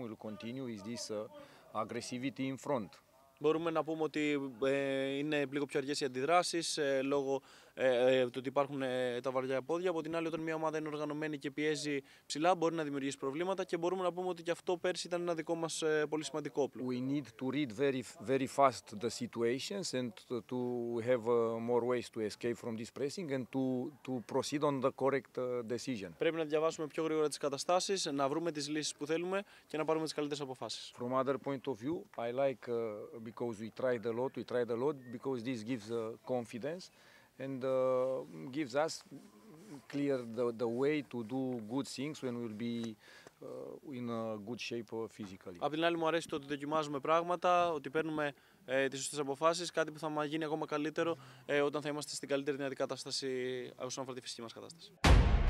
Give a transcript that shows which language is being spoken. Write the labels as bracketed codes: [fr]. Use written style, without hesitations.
[en] We'll continue with this aggressivity in front. [el] Μπορούμε να πούμε ότι είναι λίγο πιο αργές οι αντιδράσεις λόγω του ότι υπάρχουν τα βαριά πόδια. Από την άλλη, όταν μια ομάδα είναι οργανωμένη και πιέζει ψηλά, μπορεί να δημιουργήσει προβλήματα και μπορούμε να πούμε ότι και αυτό πέρσι ήταν ένα δικό μας πολύ σημαντικό όπλο. [en] We need to read very, very fast the situations and to have more ways to escape from this pressing and to proceed on the correct decision. [el] Πρέπει να διαβάσουμε πιο γρήγορα τις καταστάσεις, να βρούμε τις λύσεις που θέλουμε και να πάρουμε τις καλύτερες αποφάσεις. [en] From other point of view, I like because we tried a lot because this gives confidence. And gives us clear the way to do good things when we'll be in a good shape physically. [el] Από την άλλη μου αρέσει το ότι δοκιμάζουμε πράγματα, ότι παίρνουμε τις σωστές αποφάσεις, κάτι που θα μας γίνει ακόμα καλύτερο όταν θα είμαστε στην καλύτερη δυνατή κατάσταση όσον αφορά τη φυσική μας κατάσταση.